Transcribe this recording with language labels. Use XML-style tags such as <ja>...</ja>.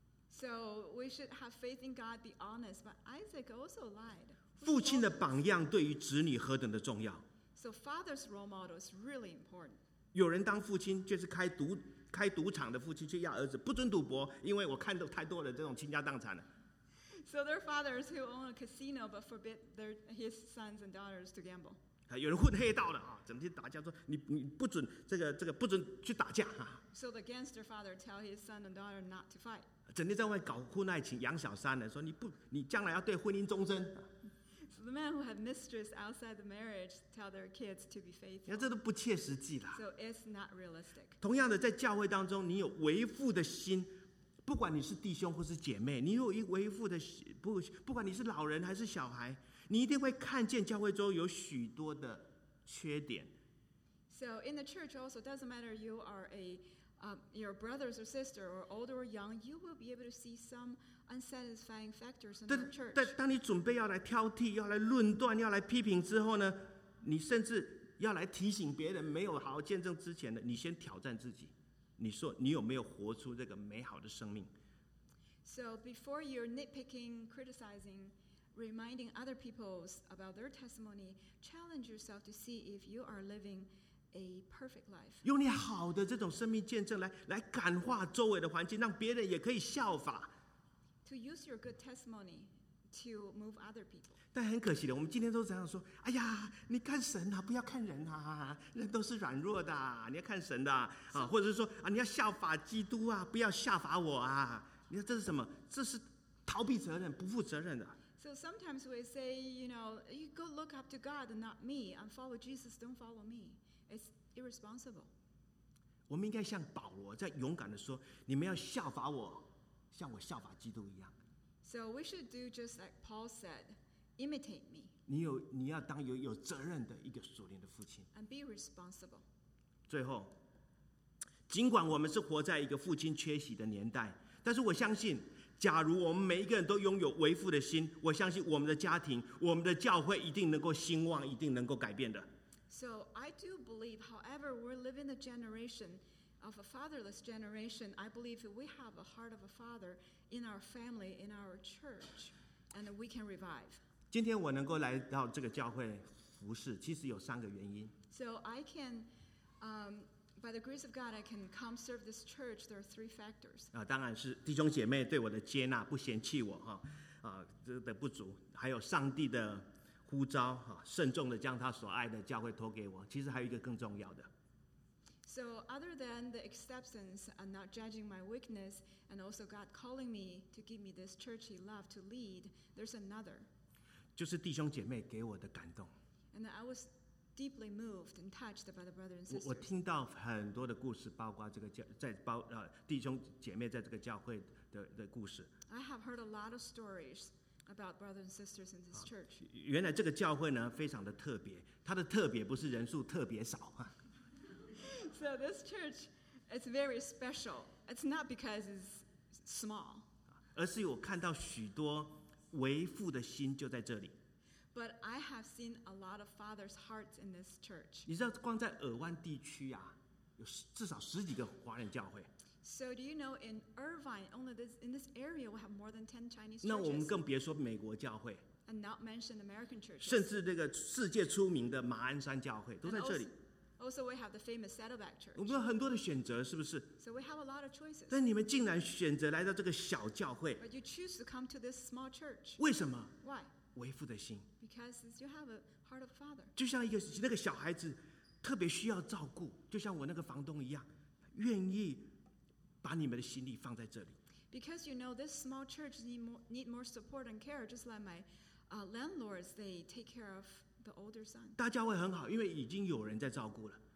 <en>So we should have faith in God, be honest, but Isaac also lied.</en> <zh>父亲的榜样对于子女何等的重要。</zh> <en>So father's role model is really important.</en> <zh>有人当父亲就是开赌场的父亲，却要儿子不准赌博，因为我看到太多的这种倾家荡产了。</zh> <en>So there are fathers who own a casino but forbid his sons and daughters to gamble.</en> <zh>有人混黑道的啊，整天打架，说你不准这个不准去打架啊。</zh> <en>So the gangster father tell his son and daughter not to fight.</en> <zh>整天在外搞婚外情，养小三的，说你将来要对婚姻忠贞。</zh> <en>So the men who have mistress outside the marriage tell their kids to be faithful.</en> <zh>这都不切实际啦。</zh> <en>So it's not realistic.</en> <zh>同样的，在教会当中，你有为父的心，不管你是弟兄或是姐妹，你有一为父的心，不管你是老人还是小孩，你一定会看见教会中有许多的缺点。</zh> <en>So in the church also, doesn't matter you are a your brothers or sister or old or young, you will be able to see some unsatisfying factors in the church.</en> <zh>但当你准备要来挑剔、要来论断、要来批评之后呢，你甚至要来提醒别人没有好好见证之前呢，你先挑战自己，你说你有没有活出这个美好的生命。</zh> <en>So before you're nitpicking, criticizing, reminding other people about their testimony, challenge yourself to see if you are living a perfect life.</en> <zh>用你好的这种生命见证来感化周围的环境，让别人也可以效法。</zh> <en>To use your good testimony to move other people.</en> <zh>但很可惜的，我们今天都这样说，哎呀，你看神啊，不要看人啊，人都是软弱的，你要看神的啊，或者是说啊，你要效法基督啊，不要效法我啊，你说这是什么？这是逃避责任，不负责任的。</zh> <en>So sometimes we say, you know, you go look up to God and not me, and follow Jesus, don't follow me. It's irresponsible.</en> <zh>我们应该像保罗在勇敢的说，你们要效法我。像我效法基督一样。</zh> <en>So we should do just like Paul said, imitate me.</en> <zh>你要当有责任的一个属灵的父亲。</zh> <en>And be responsible.</en> <zh>最后，尽管我们是活在一个父亲缺席的年代，但是我相信，假如我们每一个人都拥有为父的心，我相信我们的家庭、我们的教会一定能够兴旺，一定能够改变的。</zh> <en>So I do believe, however, we're living the generation of a fatherless generation. I believe that we have a heart of a father in our family, in our church, and we can revive.</en> <zh>今天我能够来到这个教会服事，其实有三个原因。</zh> <en>So I can, by the grace of God, I can come serve this church. There are three factors.</en> <zh>啊，当然是弟兄姐妹对我的接纳，不嫌弃我哈，啊，这的不足，还有上帝的呼召哈，慎重的将他所爱的教会托给我。其实还有一个更重要的。</zh> <en>So other than the acceptance and not judging my weakness, and also God calling me to give me this church He loved to lead, there's another.</en> <zh>就是弟兄姐妹给我的感动。</zh> <en>And I was deeply moved and touched by the brothers and sisters.</en> <zh>我听到很多的故事，包括这个教在包弟兄姐妹在这个教会的故事。</zh> <en>I have heard a lot of stories about brothers and sisters in this church.</en> <zh>原来这个教会呢非常的特别，它的特别不是人数特别少啊。</zh> <en>So this church is very special. It's not because it's small.</en> <zh>而是我看到许多为父的心就在这里。</zh> <en>But I have seen a lot of father's hearts in this church.</en> <zh>你知道光在尔湾地区啊，有至少十几个华人教会。</zh> <en>So do you know in Irvine, only this, in this area, we have more than 10 Chinese churches.</en> <zh>那我们更别说美国教会。</zh> <en>And not mention American churches.</en> <zh>甚至那个世界出名的马鞍山教会都在这里。</zh> <en>Also, we have the famous Saddleback Church.</en> <zh>我们有很多的选择，是不是</zh> <en>？So we have a lot of choices.</en> <zh>但你们竟然选择来到这个小教会。</zh> <en>But you choose to come to this small church.</en> <zh>为什么</zh> <en>？Why？</en> <zh>为父的心。</zh> <en>Because you have a heart of father.</en> <zh>就像一个那个小孩子特别需要照顾，就像我那个房东一样，愿意把你们的心力放在这里。</zh> <en>Because you know this small church need more support and care, just like my landlords, they take care of.</en> <zh>大教会很好，因为已经有人在照顾了。</zh>